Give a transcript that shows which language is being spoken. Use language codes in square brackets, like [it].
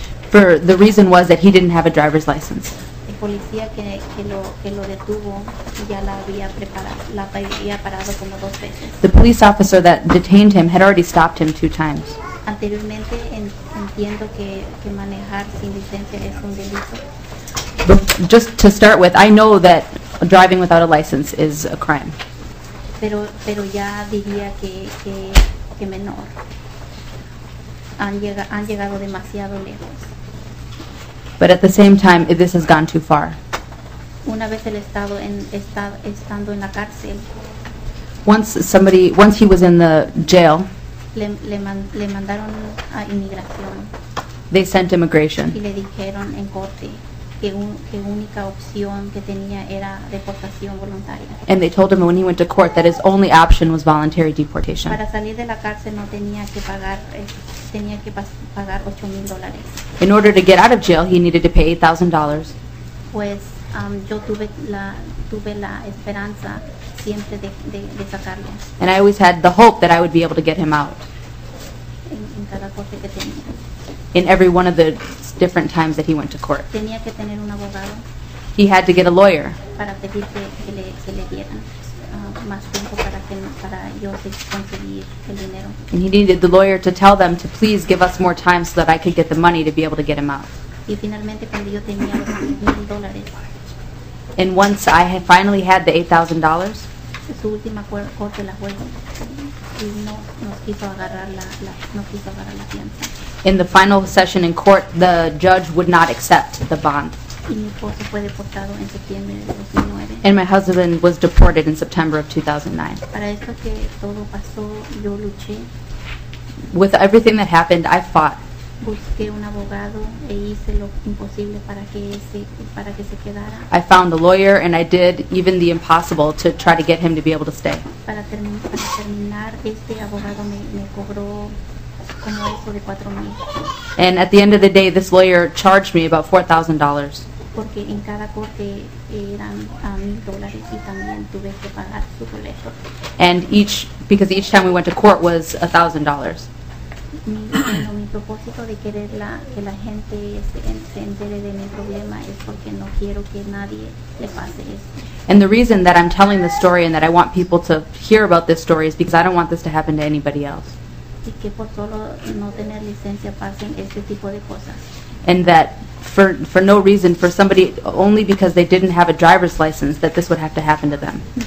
[en] For the reason was that he didn't have a driver's license. [es] El policía que lo detuvo ya la había parado como dos veces. [en] The police officer that detained him had already stopped him two times. [es] Anteriormente entiendo que manejar sin licencia es un delito. [en] Just to start with, I know that driving without a license is a crime. [es] Pero ya diría que menor. Han llegado demasiado lejos. [en] But at the same time, this has gone too far. [es] Una vez el estado estando en la cárcel. [en] Once he was in the jail. [es] Le mandaron a inmigración. [en] They sent immigration. [es] Y le dijeron en corte que única opción que tenía era deportación voluntaria. [en] And they told him when he went to court that his only option was voluntary deportation. [es] Para salir de la cárcel no tenía que pagar tenía que pagar $8,000. [en] In order to get out of jail, he needed to pay $8,000. [es] Pues yo tuve la esperanza siempre de sacarlo. [en] And I always had the hope that I would be able to get him out. [es] En cada corte que tenía. [en] In every one of the different times that he went to court. [es] Tenía que tener un abogado. [en] He had to get a lawyer. [es] Para pedir que le dieran más tiempo para yo conseguir el dinero. [en] And he needed the lawyer to tell them to please give us more time so that I could get the money to be able to get him out. [es] Y finalmente cuando yo tenía los $1,000. [en] And once I had finally had the $8,000, [es] su última corte la juez y no quiso agarrar la fianza. [en] In the final session in court, the judge would not accept the bond. [es] Y mi esposo fue deportado en septiembre de 2009. [en] And my husband was deported in September of 2009. [es] Para esto que todo pasó, yo luché. [en] With everything that happened, I fought. [es] Busqué un abogado e hice lo imposible para que se quedara. [en] I found a lawyer and I did even the impossible to try to get him to be able to stay. [es] Para terminar, este abogado me cobró como eso de 4,000. [en] And at the end of the day, this lawyer charged me about $4,000. [es] Porque en cada corte eran $1,000 y también tuve que pagar su boleto. [en] And because each time we went to court was $1,000. [es] Mi propósito de querer que la gente se entere de mi problema es porque no quiero que nadie le pase esto. [en] And the reason that I'm telling the story and that I want people to hear about this story is because I don't want this to happen to anybody else. [es] Y que por solo no tener licencia pasen este tipo de cosas. [en] And that for no reason, for somebody only because they didn't have a driver's license, that this would have to happen to them.